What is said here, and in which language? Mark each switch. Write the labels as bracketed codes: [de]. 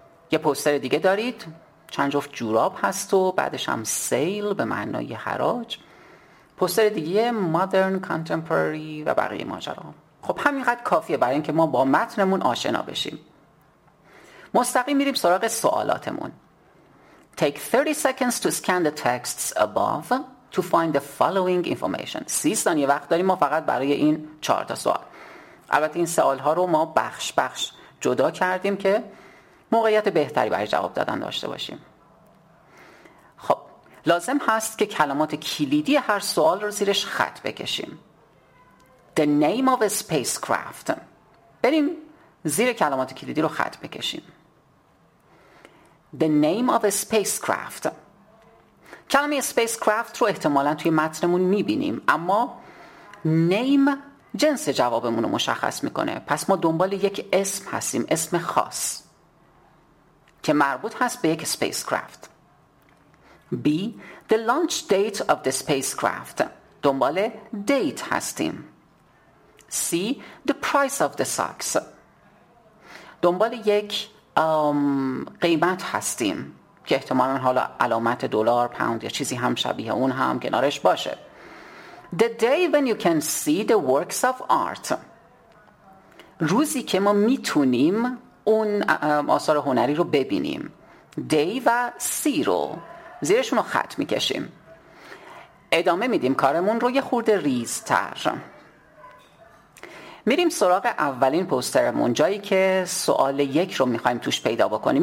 [fa] یه پوستر دیگه دارید، چند جفت جوراب هست و بعدش هم سیل به معنای حراج. پوستر دیگه مادرن کانتمپرری و بقیه ماجرا. خب همینقدر کافیه برای اینکه ما با متنمون آشنا بشیم. مستقیم میریم سراغ سوالاتمون. [en] Take 30 seconds to scan the texts above to find the following information. [fa] 30 ثانیه وقت داریم ما فقط برای این 4 تا سوال. البته این سوال ها رو ما بخش بخش جدا کردیم که موقعیت بهتری برای جواب دادن داشته باشیم. خب لازم هست که کلمات کلیدی هر سوال رو زیرش خط بکشیم. [en] The name of a spacecraft. [fa] بریم زیر کلمات کلیدی رو خط بکشیم. [en] The name of a spacecraft. [fa] کلمه spacecraft رو احتمالاً توی متنمون میبینیم، اما نیم جنس جوابمون رو مشخص میکنه. پس ما دنبال یک اسم هستیم، اسم خاص که مربوط هست به یک spacecraft. [en] B. The launch date of the spacecraft. [fa] دنبال دیت هستیم. [en] C. The price of the socks. [fa] دنبال یک قیمت هستیم که احتمالاً حالا علامت دلار، پوند یا چیزی هم شبیه اون هم کنارش باشه. [en] The day when you can see the works of art. [fa] روزی که ما میتونیم اون آثار هنری رو ببینیم. Day و see رو زیرشون رو خط میکشیم. ادامه میدیم کارمون رو یه خورده ریزتر. میریم سراغ اولین پوسترمون، جایی که سوال یک رو میخواییم توش پیدا بکنیم.